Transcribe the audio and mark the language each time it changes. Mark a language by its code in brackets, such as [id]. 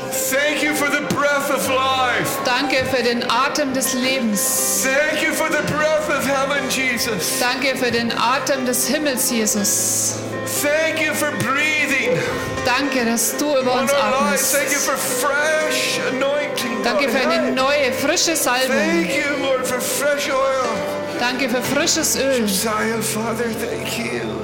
[en] Thank you for the breath of life. [de] Danke für den Atem des Lebens. [en] Thank you for the breath of heaven, Jesus. [de] Danke für den Atem des Himmels, Jesus. [en] Thank you for breathing. [de] Danke, dass du über uns atmest. [en] Thank you for fresh anointing. [de] Danke für eine neue, frische Salbung. [en] Thank you, Lord, for fresh oil. [de] Danke für frisches Öl. [en] Josiah, Father, thank you.